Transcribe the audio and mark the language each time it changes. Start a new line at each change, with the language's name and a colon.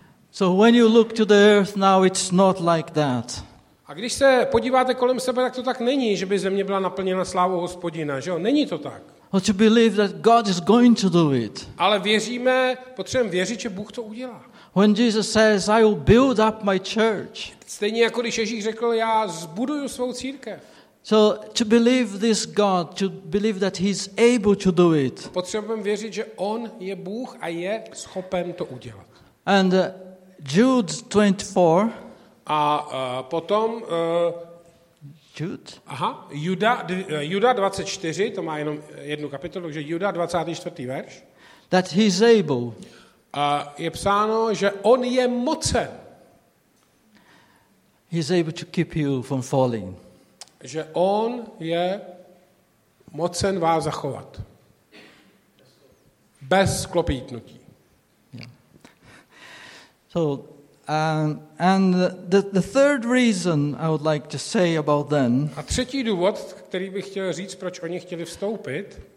English: So when you look to the earth now, it's not like that.
Czech: A když se podíváte kolem sebe, tak to tak není, že by země byla naplněna slávou Hospodina, že jo? Není to tak.
English: But to believe that God is going to do it.
Czech: Ale věříme, potřebujeme věřit, že Bůh to udělá.
English: When Jesus says, I will build up my church.
Czech: Stejně jako když Ježíš řekl, já zbuduju svou církev.
English: So to believe this God, to believe that he's able to do it.
Czech: Potřebujeme věřit, že on je Bůh a je schopen to udělat.
English: And Jude 24.
Czech: A potom
English: Jude.
Czech: Aha, Juda 24, to má jenom jednu kapitolu, že Juda 24. verš.
English: That he's able.
Czech: A je psáno, že on je mocen.
English: He's able to keep you from falling.
Czech: Že on je mocen vás zachovat. Bez klopítnutí.
English: Yeah. So and the third reason I would like to say about them.
Czech: A třetí důvod, který bych chtěl říct, proč oni chtěli vstoupit,